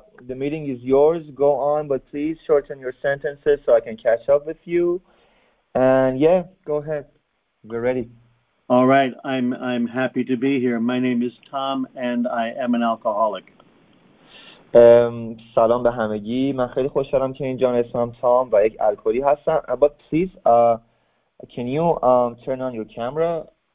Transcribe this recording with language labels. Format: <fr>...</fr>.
<en>The meeting is yours, go on, but please shorten your sentences so I can catch up with you. And yeah, go ahead. We're ready. All right, I'm happy to be here. My name is Tom and I am an alcoholic.</en> <fa>سلام به همگی، من خیلی خوشحالم که اینجا، اسمم تام و یک الکلی هستم.</fa> <en>But please can you turn on your camera?</en>